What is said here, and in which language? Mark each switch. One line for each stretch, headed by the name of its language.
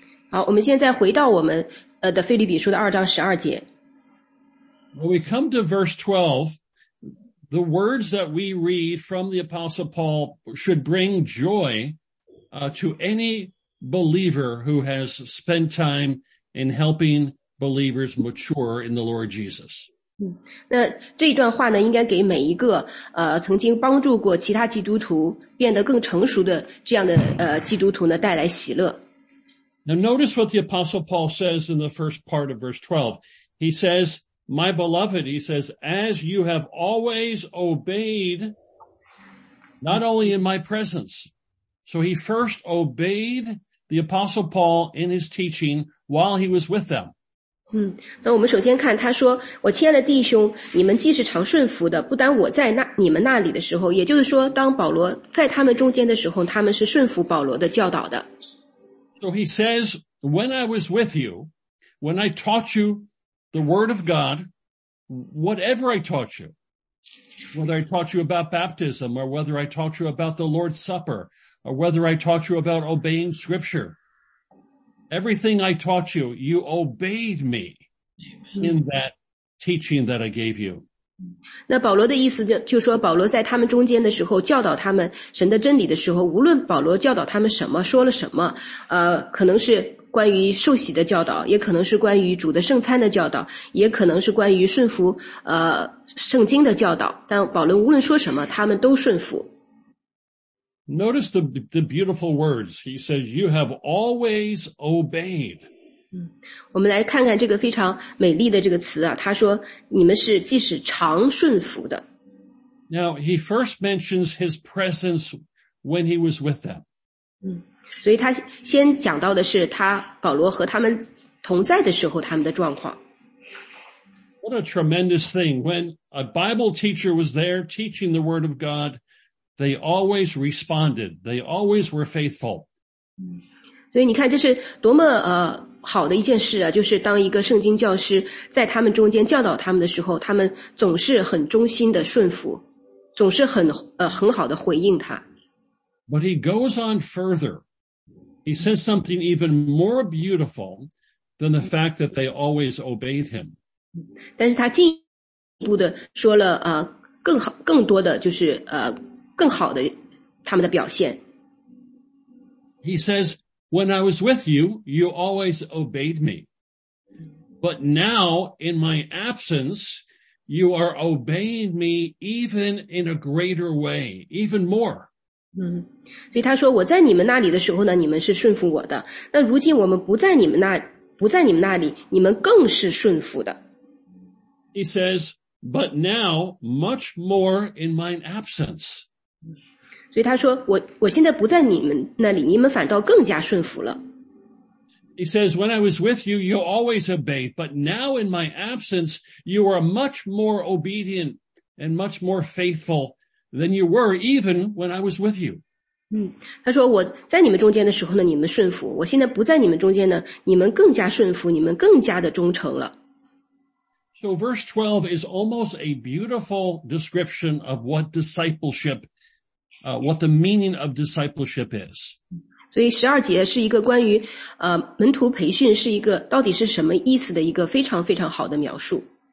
Chinese: 好，我们现在回到我们的腓立比书的二章十二节。
English: When we come to verse 12, the words that we read from the Apostle Paul should bring joy to any believer who has spent time in helping believers mature in the Lord Jesus.
Chinese: 那这一段话呢，应该给每一个曾经帮助过其他基督徒变得更成熟的这样的基督徒呢带来喜乐。
English: Now notice what the Apostle Paul says in the first part of verse 12. He says, My beloved, he says, as you have always obeyed, not only in my presence. So he first obeyed the Apostle Paul in his teaching while he was with them.
Chinese: 那我们首先看他说，我亲爱的弟兄，你们既是常顺服的，不单我在你们那里的时候，也就是说，当保罗在他们中间的时候，他们是顺服保罗的教导的。
English: So he says, when I was with you, when I taught youThe word of God, whatever I taught you, whether I taught you about baptism, or whether I taught you about the Lord's Supper, or whether I taught you about obeying scripture, everything I taught you, you obeyed me in that teaching that I gave you.
Chinese: 那保罗的意思就说保罗在他们中间的时候教导他们神的真理的时候，无论保罗教导他们什么，说了什么，可能是关于受洗的教导，也可能是关于主的圣餐的教导，也可能是关于顺服圣经的教导，但保罗无论说什么他们都顺服。
English: Notice the beautiful words. He says, you have always obeyed.
Chinese: 我们来看看这个非常美丽的这个词啊，他说你们是既是常顺服的。
English: Now he first mentions his presence when he was with them.
Chinese: 所以他先讲到的是他保罗和他们同在的时候他们的状况。
English: What a tremendous thing. When a Bible teacher was there teaching the word of God, they always responded. They always were faithful.
Chinese: 所以你看这是多么好的一件事啊，就是当一个圣经教师在他们中间教导他们的时候，他们总是很忠心的顺服，总是很好的回应他。
English: But he goes on further. He says something even more beautiful than the fact that they always obeyed him.
Chinese: 但是他进一步的说了更好更多的就是更好的他们的表现。
English: He says, when I was with you, you always obeyed me. But now, in my absence, you are obeying me even in a greater way, even more.
Chinese: 所以他说我在你们那里的时候呢，你们是顺服我的，那如今我们不在你们那里，你们更是顺服的。
English: he says, but now much more in mine absence.
Chinese: 所以他说我现在不在你们那里，你们反倒更加顺服了。
English: He says, when I was with you, you always obeyed, but now in my absence, you are much more obedient and much more faithful than you were even when I was with you.
Chinese: 嗯，他说我在你们中间的时候呢，你们顺服，我现在不在你们中间呢，你们更加顺服，你们更加的忠诚了。
English: So verse 12 is almost a beautiful description of what discipleship, what the meaning of discipleship is.
Chinese: 所以12节是一个关于门徒培训是一个到底是什么意思的一个非常非常好的描述。